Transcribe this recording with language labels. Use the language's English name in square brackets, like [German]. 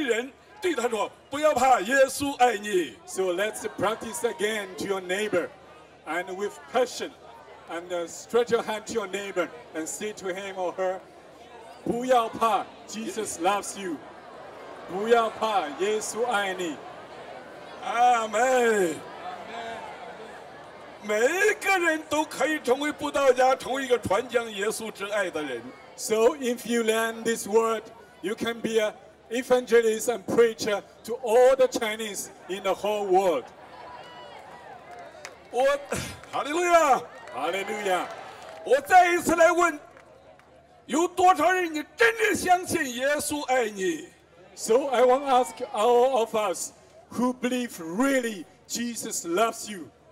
[Chinese] 现在伸出你热情的时候对你身边的人对他说不要怕耶稣爱你 [English] So let's practice again to your neighbor and with passion and stretch your hand to your neighbor and say to him or her [Chinese] 不要怕 [English] Jesus loves you [Chinese] 不要怕耶稣爱你 Amen 每一个人都可以成为布道家成为一个传讲耶稣之爱的人 [English] So if you learn this word, you can be an evangelist and preacher to all the Chinese in the whole world. Hallelujah! So I want to ask all of us who believe really Jesus loves you.